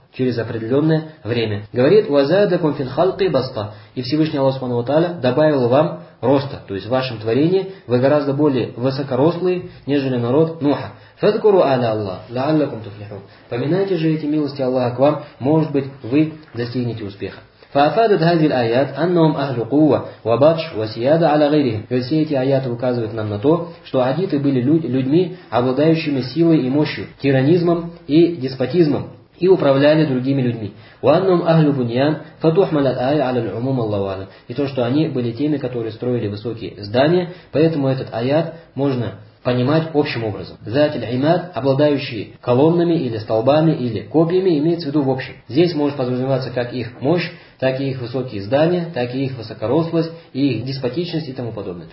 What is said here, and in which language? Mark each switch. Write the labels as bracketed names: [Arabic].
[Russian] Через определенное время. Говорит, [Arabic] «Вазадакум фин халки баста». [Russian] И Всевышний Аллах Субхана ва Тааля добавил вам роста. То есть в вашем творении вы гораздо более высокорослые, нежели народ Нуха. [Arabic] «Фадкуру аля Аллах, ляаллакум туфлихун». [Russian] Поминайте же эти милости Аллаха к вам, может быть, вы достигнете успеха. [Arabic] فأفادت هذه الآيات أنهم أهل قوة وبطش وسيادة على غيرهم. [Russian] То есть эти аяты указывают нам на то, что адиты были людьми, обладающими силой и мощью, тиранизмом и деспотизмом, и управляли другими людьми. [Arabic] وأنهم أهل بنيان فتحمل الآية على العموم الله أعلم. [Russian] И то, что они были теми, которые строили высокие здания, поэтому этот аят можно понимать общим образом. Зат аль-имад, обладающие колоннами или столбами или копьями, имеется в виду в общем. Здесь может подразумеваться как их мощь, так и их высокие здания, так и их высокорослость, и их деспотичность и тому подобное.